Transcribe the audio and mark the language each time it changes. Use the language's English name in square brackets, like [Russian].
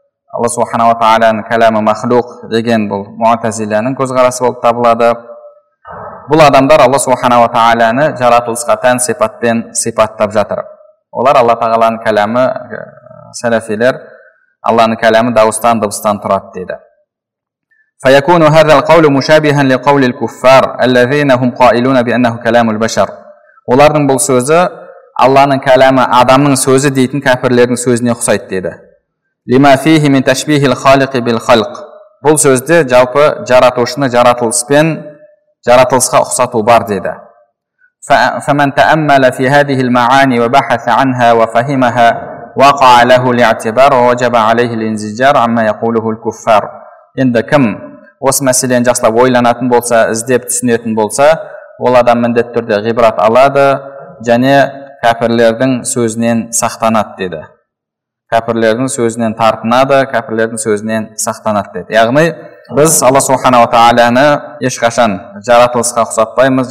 [Kazakh] Алла Субхана ва Тағаланың кәлемі махлуқ деген бұл Мутазилияның көзқарасы болып табылады. Бұл адамдар Алла Субхана ва Тағаланы жаратылысқа тән сипатпен сипаттап жатыр. Олар Алла Тағаланың кәлемі, сәләфилер Алланың кәлемі дауыстан, дыбыстан тұрады дейді. [Arabic] فيكون هذا القول مشابها لقول الكفار الذين هم قائلون بانه كلام البشر. [Kazakh] олардың бұл сөзі Алланың кәлемі адамның сөзі дейтін кәпірлердің сөзіне ұқсайды деді. [Arabic] لما فيه من تشبيه الخالق بالخلق. [Kazakh] Бұл сөзде жалпы жаратушыны жаратылыспен жаратылысқа ұқсату бар деді. [Arabic] فمن تامل في هذه المعاني وبحث عنها وفهمها وقع له الاعتبار ووجب عليه الانزجار عما يقوله الكفار. [Kazakh] Енді кім осы мәселені жақсылап ойланатын болса, іздеп түсінетін болса, ол адам міндетті түрде ғибрат алады және кәпірлердің сөзінен сақтанады деді. Кәпірлердің сөзінен тартынады, кәпірлердің сөзінен сақтанады деді. Яғни біз Алла Субхана ва Тағаланы ешқашан жаратылысқа ұқсатпаймыз.